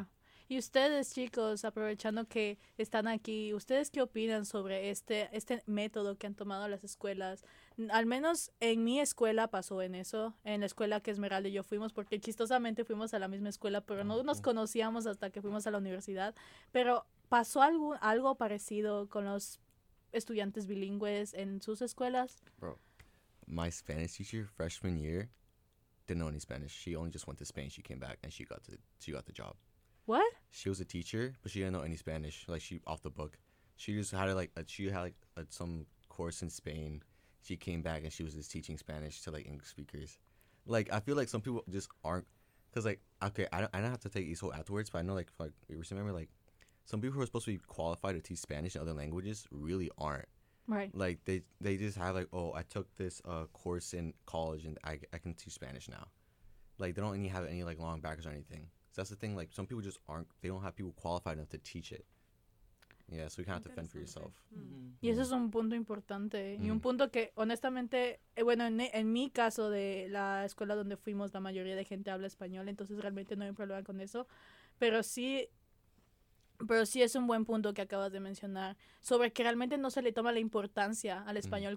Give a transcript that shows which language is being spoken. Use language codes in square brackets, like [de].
[es] Uh-huh. Y ustedes, chicos, aprovechando que están aquí, ¿ustedes qué opinan sobre este método que han tomado las escuelas? Al menos en mi escuela pasó en eso, en la escuela que Esmeralda y yo fuimos, porque chistosamente fuimos a la misma escuela, pero no nos conocíamos hasta que fuimos a la universidad. Pero ¿pasó algo parecido con los estudiantes bilingües en sus escuelas? [en] Bro, my Spanish teacher freshman year didn't know any Spanish. She only just went to Spain, she came back, and she got the job. What? She was a teacher, but she didn't know any Spanish. Like, she off the book. She just had like some course in Spain. she came back and she was just teaching Spanish to, like, English speakers. Like, I feel like some people just aren't, because, like, okay, I don't have to take ESOL afterwards, but I know, like, you remember, like, some people who are supposed to be qualified to teach Spanish and other languages really aren't. Right. Like, they just have, like, oh, I took this course in college and I can teach Spanish now. Like, they don't even have any, like, long backgrounds or anything. So that's the thing, like, some people just aren't, they don't have people qualified enough to teach it. Yeah, so you kind of have to fend for yourself. [es] Mm-hmm. Y ese es un punto importante. Mm-hmm. Y un punto que, honestamente, bueno, en mi caso de la escuela donde fuimos, la mayoría de gente habla español, entonces realmente no hay un problema con eso. Pero sí es un buen punto que acabas de mencionar sobre que realmente no se le toma la importancia al español mm-hmm.